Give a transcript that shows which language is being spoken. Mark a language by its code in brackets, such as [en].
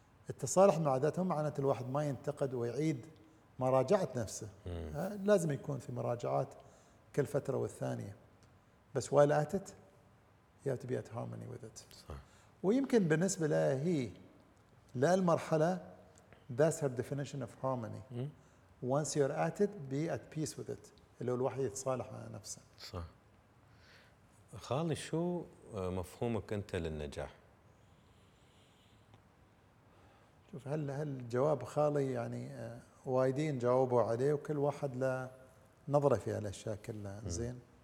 [ar] التصالح مع الذات هو معناته الواحد ما ينتقد ويعيد مراجعة نفسه. لازم يكون في مراجعات كل فترة والثانية، بس [en] while well at it you have to be at harmony with it. [ar] ويمكن بالنسبة لها هي لا المرحلة [en] that's her definition of harmony. Once you're at it, be at peace with it. [ar] اللي هو الواحد يتصالح مع نفسه. صح. خالي، شو مفهومك أنت للنجاح؟ شوف، هل جواب خالي يعني وايدين جاوبوا عليه وكل واحد له نظرة في هالأشياء كلها. زين.